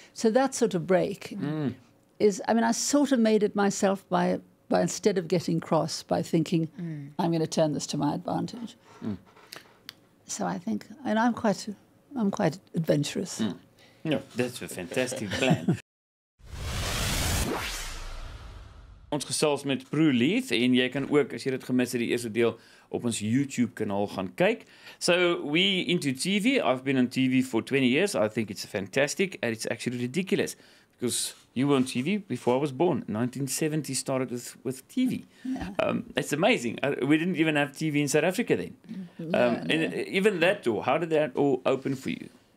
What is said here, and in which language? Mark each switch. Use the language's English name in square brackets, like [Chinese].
[English] So that sort of break I sort of made it myself by instead of getting cross, by thinking, I'm going to turn this to my advantage. Mm. So I think, and I'm quite adventurous. Mm. No, that's a fantastic plan. [Afrikaans] Ons gesels met Prue Leith, en jy kan ook, as jy dit gemis het, die eerste deel op ons YouTube-kanaal gaan kyk. [English] So, we into TV. I've been on TV for 20 years. I think it's fantastic, and it's actually ridiculous, because you were on TV before I was born. 1970 started with TV. Yeah. It's amazing. We didn't even have TV in South Africa then. And even that door, how did that all open for you?